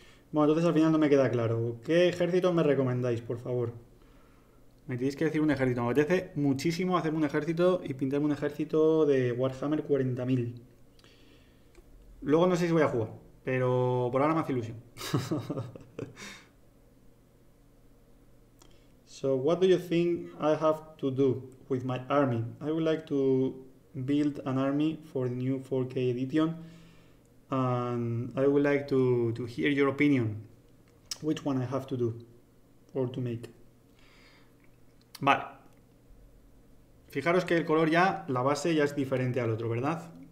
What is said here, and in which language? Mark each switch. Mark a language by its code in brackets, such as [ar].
[es] Bueno, entonces al final no me queda claro. ¿Qué ejército me recomendáis, por favor? Me tenéis que decir un ejército. Me apetece muchísimo hacerme un ejército y pintarme un ejército de Warhammer 40.000. Luego no sé si voy a jugar, pero por ahora me hace ilusión. [en] So, what do you think I have to do with my army? I would like to build an army for the new 4K edition. And I would like to hear your opinion, which one I have to do or to make. [es] Vale. Fijaros que el color ya, la base ya es diferente al otro, ¿verdad?